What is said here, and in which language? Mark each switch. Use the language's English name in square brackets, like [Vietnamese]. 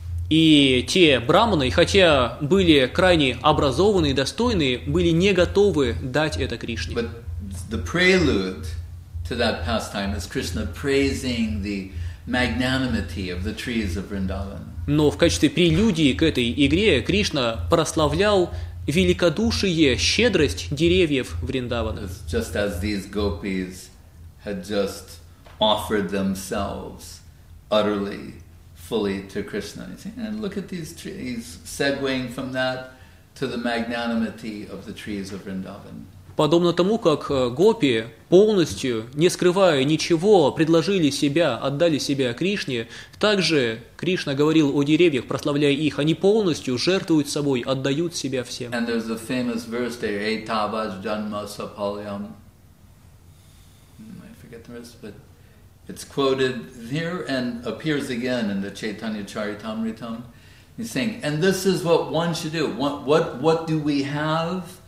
[Russian] И те браманы, хотя были крайне образованы и достойны, были не готовы дать это Кришне. [English] But the prelude to that pastime is Krishna praising the magnanimity of the trees of Vrindavan. [Russian] Но в качестве прелюдии к этой игре Кришна прославлял великодушие, щедрость деревьев Вриндавана. [English] Just as these gopis had just offered themselves utterly, fully to Krishna. And look at these trees, segueing from that to the magnanimity of the trees of Vrindavan. [Russian] Подобно тому, как гопи полностью, не скрывая ничего, предложили себя, отдали себя Кришне, также Кришна говорил о деревьях, прославляя их, они полностью жертвуют собой, отдают себя всем. [English] And there's a famous verse there, Etavas Janma Sapalyam. I forget the rest, but it's quoted here and appears again in the Chaitanya Charitamritam. He's saying, and this is what one should do. What do we have?